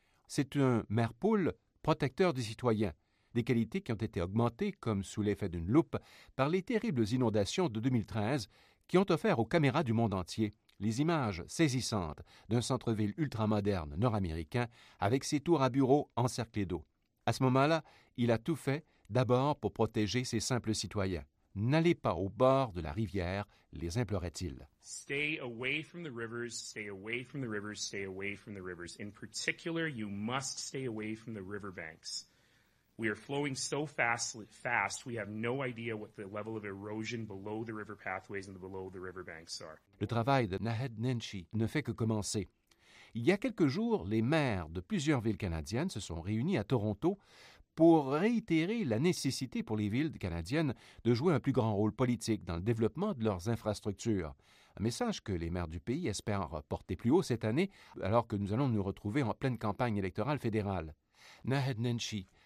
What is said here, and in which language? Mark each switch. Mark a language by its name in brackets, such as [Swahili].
[French] C'est un maire poule, protecteur des citoyens, des qualités qui ont été augmentées, comme sous l'effet d'une loupe, par les terribles inondations de 2013 qui ont offert aux caméras du monde entier les images saisissantes d'un centre-ville ultramoderne nord-américain avec ses tours à bureaux encerclées d'eau. À ce moment-là, il a tout fait, d'abord pour protéger ses simples citoyens. N'allez pas au bord de la rivière, les implorait-il. [English] Stay away from the rivers, stay away from the rivers, stay away from the rivers. In particular, you must stay away from the riverbanks. We are flowing so fast, we have no idea what the level of erosion below the river pathways and below the riverbanks are. [French] Le travail de Nahed Nenshi ne fait que commencer. Il y a quelques jours, les maires de plusieurs villes canadiennes se sont réunis à Toronto pour réitérer la nécessité pour les villes canadiennes de jouer un plus grand rôle politique dans le développement de leurs infrastructures. Un message que les maires du pays espèrent porter plus haut cette année, alors que nous allons nous retrouver en pleine campagne électorale fédérale. Nahed Nenshi